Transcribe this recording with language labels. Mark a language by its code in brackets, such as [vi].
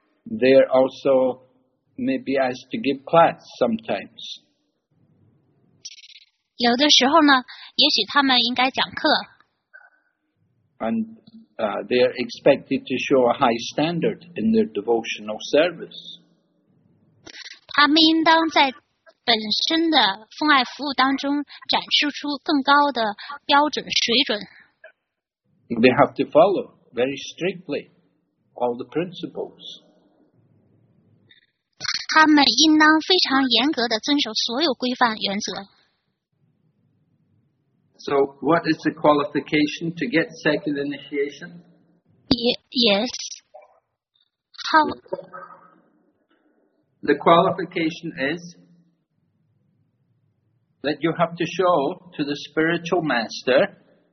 [en] They are also maybe asked to give class sometimes. [zh] 有的时候呢，也许他们应该讲课。 [en] And they are expected to show a high standard in their devotional service. [zh] 他们应当在本身的奉爱服务当中展示出更高的标准水准。 [en] They have to follow. Very strictly, all the principles. [zh] 他们应当非常严格地遵守所有规范原则。 [en] So, what is the qualification to get second initiation? Yes. How? The qualification is that you have to show to the spiritual master.